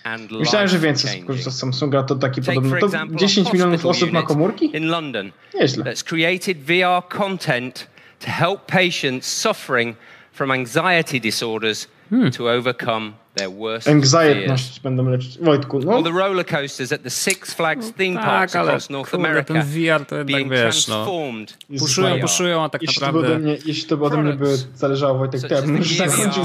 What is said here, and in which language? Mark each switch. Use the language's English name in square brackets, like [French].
[Polish] Myślałem, że więcej skorzysta z Samsunga, to taki podobny. To 10 milionów osób ma komórki? Nieźle. [English] That's created VR content to help patients suffering from anxiety disorders to overcome their worst fears. [Polish] Anxiety będą leczyć. Wojtku, no. [English] All the roller coasters at the Six Flags theme parks across North America [Polish] VR to jednak, wiesz, no. Puszują, a tak naprawdę... Jeśli to by ode mnie by zależało, Wojtek, to ja bym już zakończył.